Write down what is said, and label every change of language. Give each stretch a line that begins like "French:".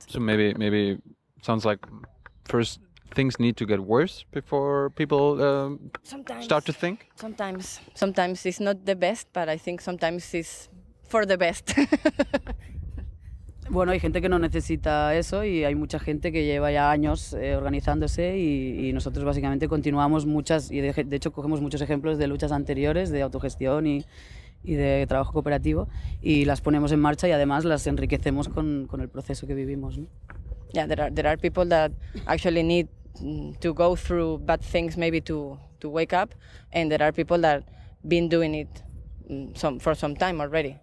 English: So maybe sounds like first things need to get worse before people start to think? Sometimes it's not the best, but I think sometimes it's for the best.
Spanish: Bueno, hay gente que no necesita eso y hay mucha gente que lleva ya años organizándose y nosotros básicamente continuamos muchas, y de hecho cogemos muchos ejemplos de luchas anteriores de autogestión y de trabajo cooperativo y las ponemos en marcha y además las enriquecemos con el proceso que vivimos, ¿no?
English: Yeah, there are people that actually need to go through bad things maybe to wake up, and there are people that been doing it for some time already.